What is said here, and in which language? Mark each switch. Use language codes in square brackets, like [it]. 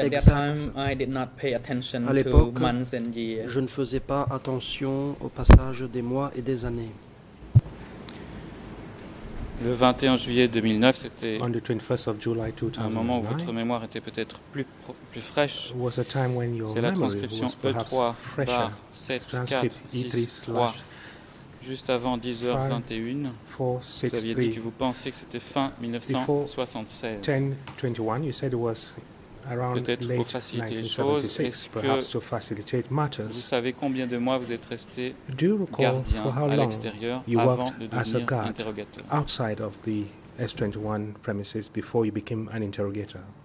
[en] Because at that time, I did not pay attention to months and years. [fr] Je ne faisais pas attention au passage des mois et des années. Le 21 juillet 2009, c'était [en] on the 21st of July 2009, [fr] un moment où votre mémoire était peut-être plus fraîche. [en] Was a time when your [fr] c'est la transcription E3/7463. Juste avant 10h21, vous aviez dit que vous pensiez que c'était fin 1976. Peut-être pour faciliter les choses, vous savez combien de mois vous êtes resté gardien à l'extérieur avant de devenir interrogateur? [en] Outside of the S21 premises before you became an interrogator?